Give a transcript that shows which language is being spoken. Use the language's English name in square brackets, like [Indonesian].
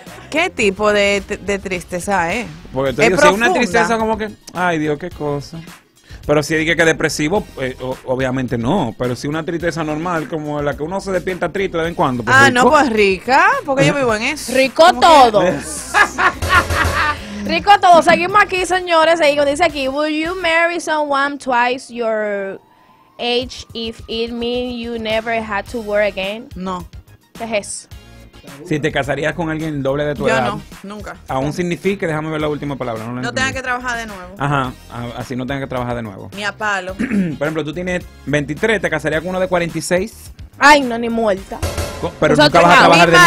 [Spanish] ¿Qué tipo de tristeza es? Porque tú dices, si una tristeza como que... Ay, Dios, qué cosa. Pero si dije que depresivo, obviamente no. Pero si una tristeza normal, como la que uno se despierta triste de vez en cuando. Pues ah, rico. No, pues rica, porque yo vivo en eso. Rico todo. Rico todo. Seguimos aquí, señores. Dice aquí, [English] will you marry someone twice your age if it means you never had to work again? [Spanish] No. ¿Qué es eso? Si te casarías con alguien doble de tu yo edad. Yo no, nunca. Aún significa, déjame ver la última palabra. No, no tenga que trabajar de nuevo. Ajá, así no tenga que trabajar de nuevo. Ni a palo. Por ejemplo, tú tienes 23, ¿te casarías con uno de 46? Ay, no, ni muerta. Pero o sea, nunca vas a trabajar de nuevo.